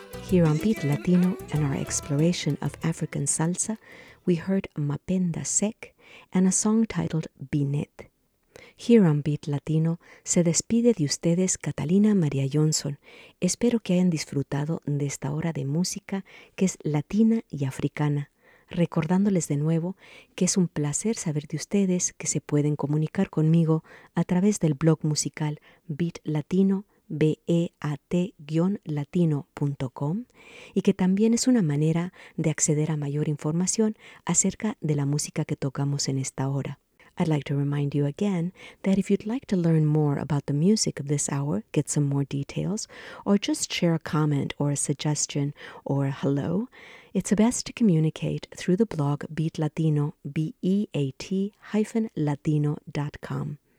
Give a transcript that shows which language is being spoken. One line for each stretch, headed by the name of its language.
English: Here on Beat Latino and our exploration of African salsa, we heard Mapenda Sek and a song titled Binet. Here on
Spanish: Beat Latino, se despide de ustedes Catalina María Johnson. Espero que hayan disfrutado de esta hora de música que es latina y africana. Recordándoles de nuevo que es un placer saber de ustedes que se pueden comunicar conmigo a través del blog musical Beat Latino, beat-latino.com, y que también es una manera de acceder a mayor información acerca de la música que tocamos en esta hora.
English: I'd like to remind you again that if you'd like to learn more about the music of this hour, get some more details, or just share a comment or a suggestion or a hello, it's best to communicate through the blog Beat Latino, beat-latino.com.